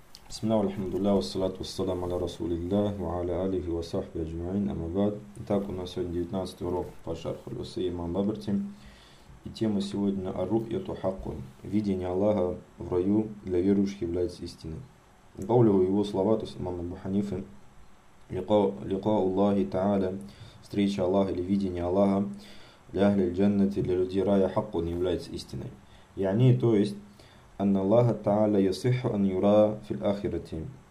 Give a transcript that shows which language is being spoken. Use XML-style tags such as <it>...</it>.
<ar>بسم الله والحمد لله والصلاة والسلام على رسول الله وعلى آله وصحبه أجمعين. أما بعد,</ar> <ru>итак, у нас сегодня 19 урок по шарху Лусы имам Баберти. И тема сегодня</ru> <ar>«Ар-Рухьяту Хаккун»</ar> <ru>– видение Аллаха в раю для верующих является истиной. Гаулю его слова, то есть имам Абу Ханифы,</ru> <ar>«Ликау Аллахи Та'аля»</ar> <ru>– встреча Аллаха или видение Аллаха для ахли джаннати, для людей рая Хаккун является истиной. И они, то есть,</ru> <ar>أن الله تعالى يصح أن يرى في الآخرة.</ar>